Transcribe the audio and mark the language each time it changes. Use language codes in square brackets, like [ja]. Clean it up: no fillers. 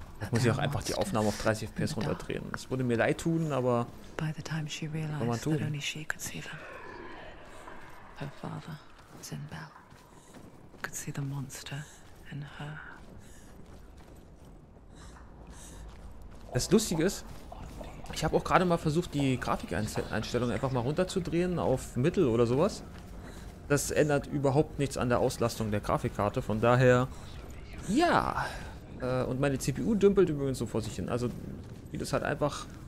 [de] Muss ich auch einfach die Aufnahme auf 30 FPS runterdrehen. Es würde mir leid tun, aber [en] by the time she realized that only she could see them. Her father, Zinbel, could see the monster in her. [de] Das Lustige ist, ich habe auch gerade mal versucht, die Grafikeinstellung einfach mal runterzudrehen auf Mittel oder sowas. Das ändert überhaupt nichts an der Auslastung der Grafikkarte, von daher. Ja! Und meine CPU dümpelt übrigens so vor sich hin. Also, wie das halt einfach.